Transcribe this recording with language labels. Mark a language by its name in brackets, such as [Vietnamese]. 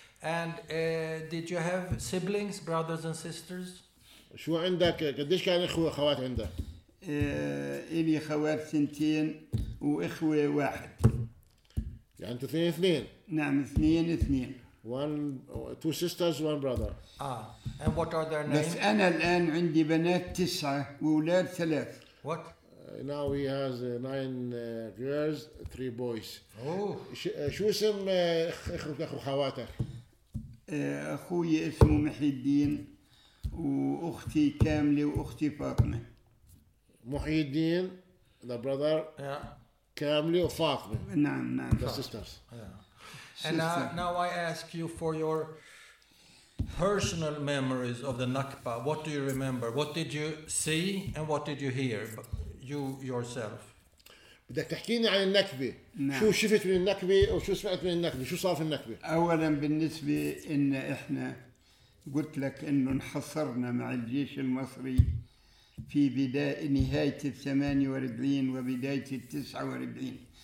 [English] And did you have siblings, brothers and sisters? [Arabic] شو عندك؟ قديش كان إخوة خوات عندك؟ إلي خوات ثنتين وإخوة واحد. يعني أنتوا اثنين. نعم اثنين. [English] One, two sisters, one brother. And what are their names? [Arabic] بس أنا الآن عندي بنات تسعة وولاد ثلاث. [English] What? Now he has nine girls, three boys. Oh. [Arabic] شو اسم أخو خواتك؟ أخوي اسمه محي الدين وأختي كاملة وأختي فاطمة. [English] محي الدين, the brother. Yeah. [Arabic] كاملة وفاطمة. نعم. [English] The sisters. Yeah. And now I ask you for your personal memories of the Nakba. What do you remember? What did you see and what did you hear? You yourself. [Arabic] بدك تحكيني عن النكبة. شو شفت من النكبة وشو سمعت من النكبة؟ شو صار في النكبة؟ أولاً بالنسبة إن إحنا قلت لك إنه انحصرنا مع الجيش المصري في بداية نهاية 48 وبداية 49.